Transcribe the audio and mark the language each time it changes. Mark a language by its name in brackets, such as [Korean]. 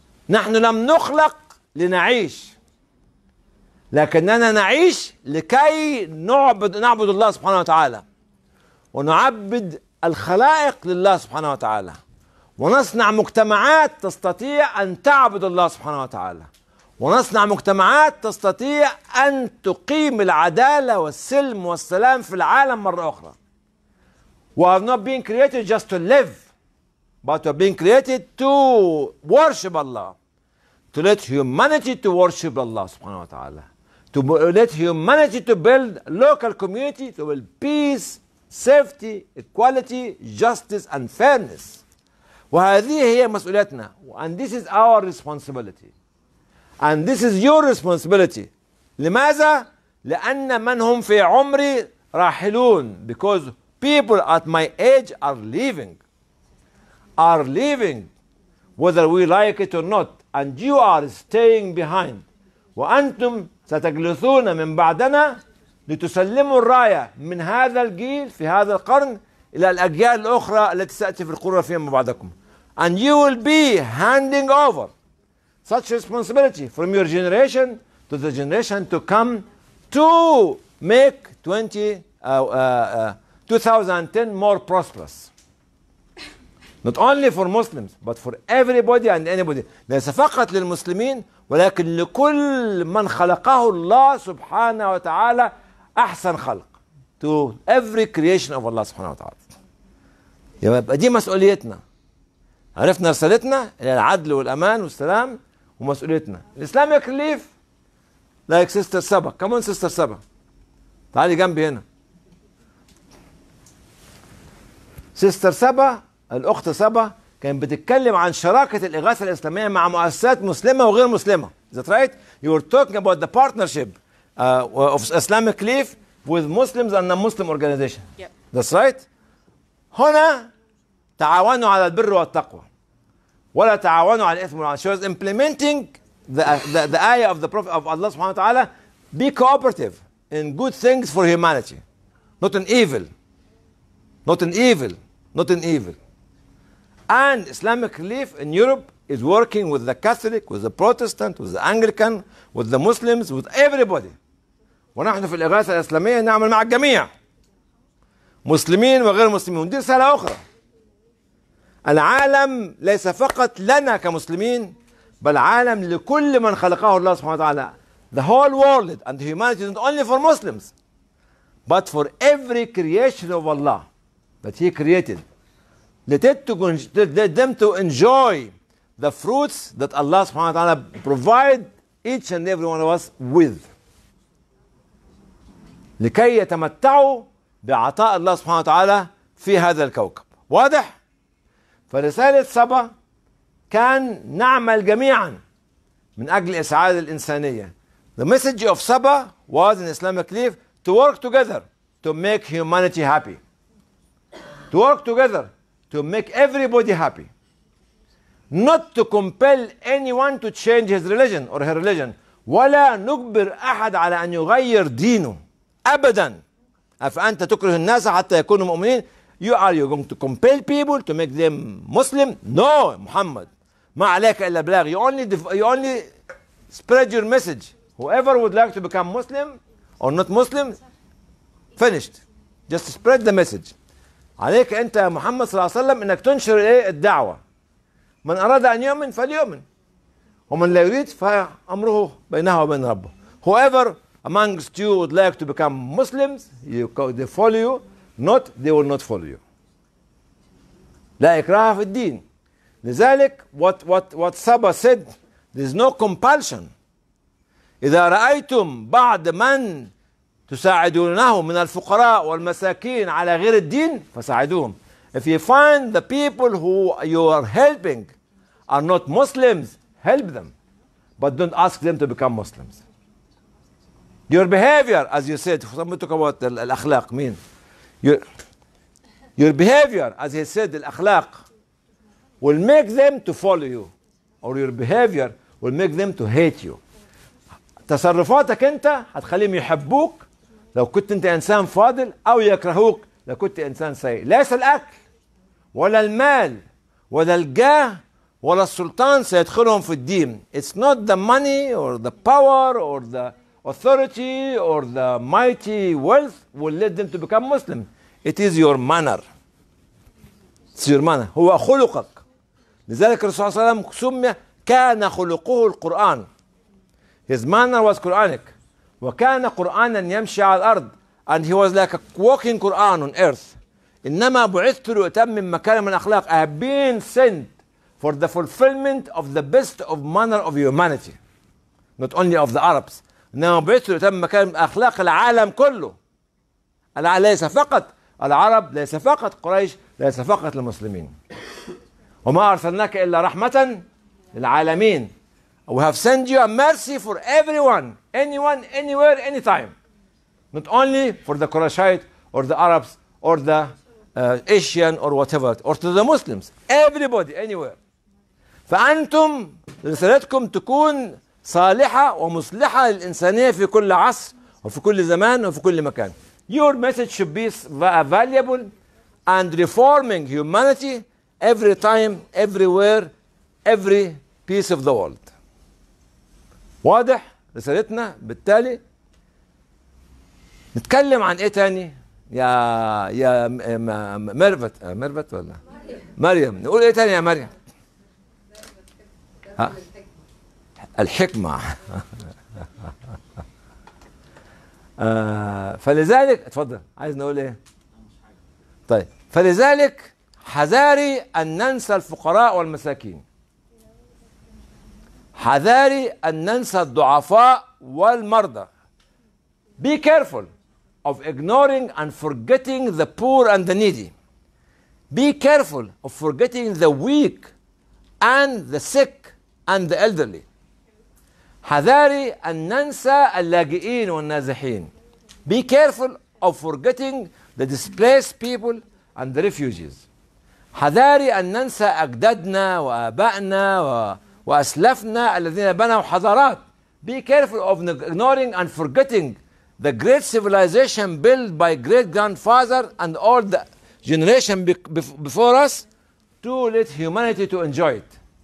[Arabic] نحن لم نخلق لنعيش لكننا نعيش لكي نعبد الله سبحانه وتعالى ونعبد الخلائق لله سبحانه وتعالى ونصنع مجتمعات تستطيع أن تعبد الله سبحانه وتعالى ونصنع مجتمعات تستطيع أن تقيم العدالة والسلم والسلام في العالم مرة أخرى. [English] We have not been created just to live but we have been created to worship Allah, to let humanity to worship Allah [Arabic] سبحانه وتعالى, [English] to let humanity to build local community, to build peace, safety, equality, justice and fairness. [Arabic] وهذه هي مسؤوليتنا. [English] And this is our responsibility. And this is your responsibility. [Arabic] لماذا؟ لأن من هم في عمري راحلون. [English] Because people at my age are leaving. Are leaving. Whether we like it or not. And you are staying behind. [Arabic] وأنتم ستجلسون من بعدنا لتسلموا الراية من هذا الجيل في هذا القرن إلى الأجيال الأخرى التي سأتي في القرى فيما بعدكم. [English] And you will be handing over such responsibility from your generation to the generation to come to make 2010 more prosperous. Not only for Muslims, but for everybody and anybody. [Arabic] ليس فقط للمسلمين ولكن لكل من خلقه الله سبحانه وتعالى أحسن خلق. [English] To every creation of Allah [Arabic] سبحانه وتعالى. يبقى دي مسؤوليتنا. عرفنا رسالتنا إلى العدل والأمان والسلام ومسؤوليتنا. [English] Islamic relief like Sister Saba. Come on Sister Saba. [Arabic] تعالي جنبي هنا. Sister Saba, الأخت سبا كان بتتكلم عن شراكة الإغاثة الإسلامية مع مؤسسات مسلمة وغير مسلمة. [English] Is that right? You were talking about the partnership of Islamic Relief with Muslims and non-Muslim organization. Yep. That's right. [Arabic] هنا تعاونوا على البر والتقوى ولا تعاونوا على الإثم والعدوان. [English] She was implementing the ayah of the Prophet of Allah [Arabic] سبحانه وتعالى. [English] Be cooperative in good things for humanity. Not an evil. Not an evil. Not an evil. And Islamic Relief in Europe is working with the Catholic, with the Protestant, with the Anglican, with the Muslims, with everybody. [Arabic] ونحن في الإغاثة الإسلامية نعمل مع الجميع. مسلمين وغير مسلمين. دي رسالة أخرى. العالم ليس فقط لنا كمسلمين بل عالم لكل من خلقه الله سبحانه وتعالى. [English] The whole world and humanity is not only for Muslims but for every creation of Allah that He created. Let them to enjoy the fruits that Allah subhanahu wa ta'ala provide each and every one of us with. [Arabic] لكي يتمتعوا بعطاء الله سبحانه وتعالى في هذا الكوكب. واضح؟ فرسالة سبا كان نعمل جميعا من أجل إسعاد الإنسانية. [English] The message of Saba was in Islamic Relief to work together to make humanity happy. To work together to make everybody happy. Not to compel anyone to change his religion or her religion. [Arabic] ولا نجبر أحد على أن يغير دينه أبدا. أفأنت تكره الناس حتى يكونوا مؤمنين؟ [English] You are you going to compel people to make them Muslim? No, Muhammad. [Arabic] ما عليك إلا بلاغ. [English] You only spread your message. Whoever would like to become Muslim or not Muslim, finished. Just spread the message. [Arabic] عليك أنت يا محمد صلى الله عليه وسلم أنك تنشر الدعوة. من أراد أن يؤمن فليؤمن. ومن لا يريد فأمره بينه وبين ربه. [English] Whoever amongst you would like to become Muslims, they follow you. Not, they will not follow you. [Arabic] لا إكراه في الدين. لذلك [English] what Saba said, there is no compulsion. [Arabic] إذا رأيتم بعض من تساعدونه من الفقراء والمساكين على غير الدين فساعدوهم. [English] If you find the people who you are helping are not Muslims, help them. But don't ask them to become Muslims. Your behavior, as you said, somebody talk about the الأخلاق mean. Your behavior, as he said, الأخلاق will make them to follow you. Or your behavior will make them to hate you. [Arabic] تصرفاتك انت هتخليهم يحبوك لو كنت انت انسان فاضل او يكرهوك لو كنت انسان سيء. ليس الاكل ولا المال ولا الجاه ولا السلطان سيدخلهم في الدين. [English] It's not the money or the power or the authority or the mighty wealth will lead them to become Muslim. It is your manner. It's your manner. [Arabic] هو خلقك. لذلك الرسول صلى الله عليه وسلم سمي كان خلقه القرآن. [English] His manner was Quranic. [Arabic] وكان قرآنا يمشي على الأرض. [English] And he was like a walking Quran on earth. [Arabic] إنما بعثت لأتمم مكارم الأخلاق. [English] I have been sent for the fulfillment of the best of manner of humanity. Not only of the Arabs. [Arabic] إنما بعثت لأتمم مكارم الأخلاق العالم كله. ليس فقط العرب، ليس فقط قريش، ليس فقط المسلمين. وما أرسلناك إلا رحمة للعالمين. [English] We have sent you a mercy for everyone, anyone, anywhere, anytime. Not only for the Qurayshite or the Arabs or the Asian or whatever, or to the Muslims. Everybody, anywhere. [Arabic] فأنتم رسالتكم تكون صالحة ومصلحة للإنسانية في كل عصر وفي كل زمان وفي كل مكان. [English] Your message should be valuable and reforming humanity every time, everywhere, every piece of the world. [Arabic] واضح رسالتنا. بالتالي نتكلم عن ايه تاني يا ميرفت ولا مريم؟ نقول ايه تاني يا مريم؟ الحكمة. فلذلك اتفضل. عايز نقول ايه؟ طيب، فلذلك حذاري ان ننسى الفقراء والمساكين، حذاري أن ننسى الضعفاء والمرضى. [English] Be careful of ignoring and forgetting the poor and the needy. Be careful of forgetting the weak and the sick and the elderly. [Arabic] حذاري أن ننسى اللاجئين والنازحين. [English] Be careful of forgetting the displaced people and the refugees. [Arabic] حذاري أن ننسى أجدادنا وآبائنا وأسلفنا الذين بنوا حضارات. [English] Be careful of ignoring and forgetting the great civilization built by great grandfather and all the generation before us to let humanity to enjoy it.